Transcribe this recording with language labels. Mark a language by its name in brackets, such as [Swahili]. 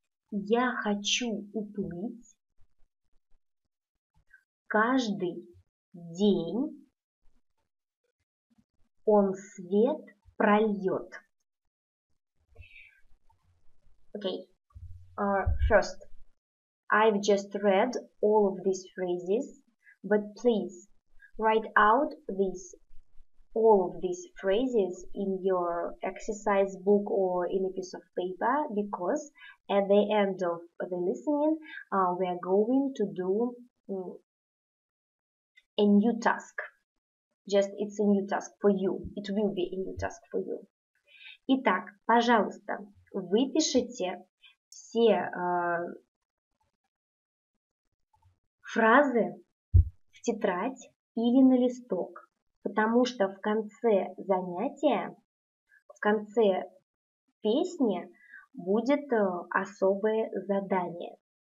[Russian] Я хочу уплыть. Каждый день он свет прольет. [English] Okay. First, I've just read all of these phrases, but please write out these all of these phrases in your exercise book or in a piece of paper, because at the end of the listening, we are going to do a new task. Just, it's a new task for you. It will be a new task for you. [Russian] Итак, пожалуйста, выпишите все фразы в тетрадь или на листок. Потому что в конце занятия, в конце песни будет особое задание.